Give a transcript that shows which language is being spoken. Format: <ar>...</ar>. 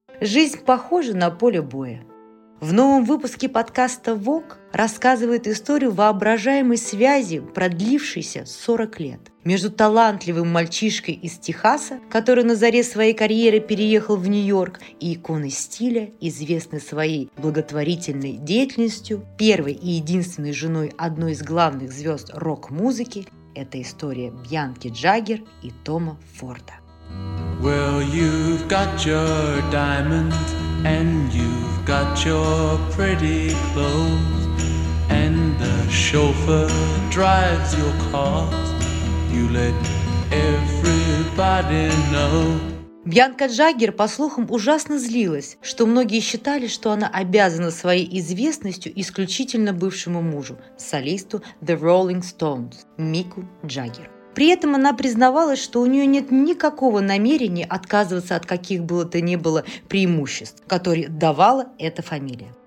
<ru>Жизнь похожа на поле боя». В новом выпуске подкаста «Вог» рассказывает историю воображаемой связи, продлившейся 40 лет, между талантливым мальчишкой из Техаса, который на заре своей карьеры переехал в Нью-Йорк, и иконой стиля, известной своей благотворительной деятельностью, первой и единственной женой одной из главных звезд рок-музыки. Это история Бьянки Джаггер и Тома Форда.</ru> <en>Well, you've got your diamond, and you've got your pretty clothes, and the chauffeur drives your car, you let everybody know.</en> <ru>Бьянка Джаггер, по слухам, ужасно злилась, что многие считали, что она обязана своей известностью исключительно бывшему мужу, солисту The Rolling Stones, Мику Джаггеру. При этом она признавалась, что у нее нет никакого намерения отказываться от каких бы то ни было преимуществ, которые давала эта фамилия.</ru>